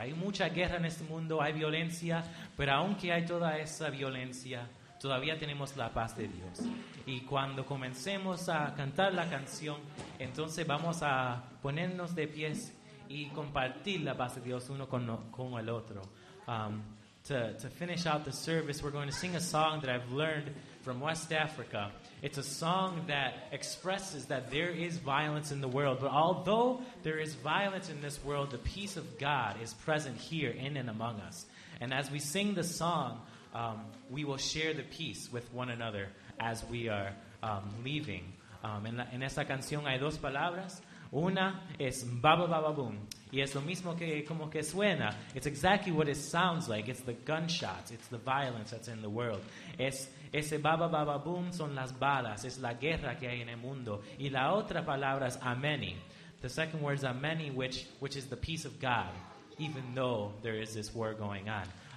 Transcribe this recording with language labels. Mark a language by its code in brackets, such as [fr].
[es] Hay mucha guerra en este mundo, hay violencia, pero aunque hay toda esa violencia, todavía tenemos la paz de Dios. Y cuando comencemos a cantar la canción, entonces vamos a ponernos de pies y compartir la paz de Dios uno con el otro. [en] To finish out the service, we're going to sing a song that I've learned from West Africa. It's a song that expresses that there is violence in the world, but although there is violence in this world, the peace of God is present here in and among us. And as we sing the song, we will share the peace with one another as we are leaving. [es] En esta canción hay dos palabras. Una es baba baba boom. Y es lo mismo que como que suena. [en] It's exactly what it sounds like. It's the gunshots. It's the violence that's in the world. [es] Es ese baba baba boom son las balas. Es la guerra que hay en el mundo. Y la otra palabra es ameni. [en] The second word is ameni, which is the peace of God, even though there is this war going on.